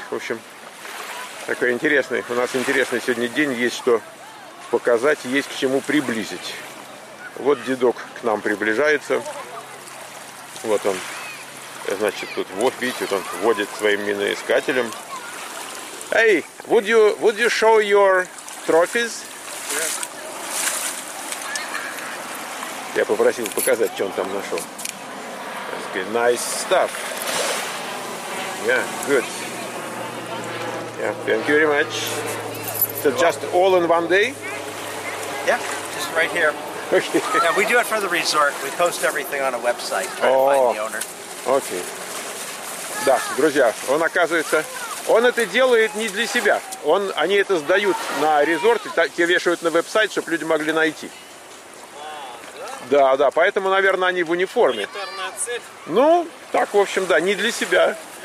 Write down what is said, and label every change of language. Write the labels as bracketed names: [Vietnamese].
[Russian] В общем, такой интересный. У нас интересный сегодня день. Есть что показать, есть к чему приблизить. Вот дедок к нам приближается. Вот он. Значит, тут вот, видите, вот он водит своим миноискателем. [English] Эй, would you show your trophies? [Russian] Я попросил показать, что он там нашел. [English] Nice stuff. Yeah, good. Yeah, thank you very much. So just all in one day? Yeah, just right here. Okay. Yeah, we do it for the resort. We post everything on a website. Try to find the owner. Okay. [Russian] Да, друзья, он, оказывается, он это делает не для себя. Они это сдают на резорт и так, вешают на веб-сайт, чтобы люди могли найти. Да, да, поэтому, наверное, они в униформе. Ну, так, в общем, да, не для себя.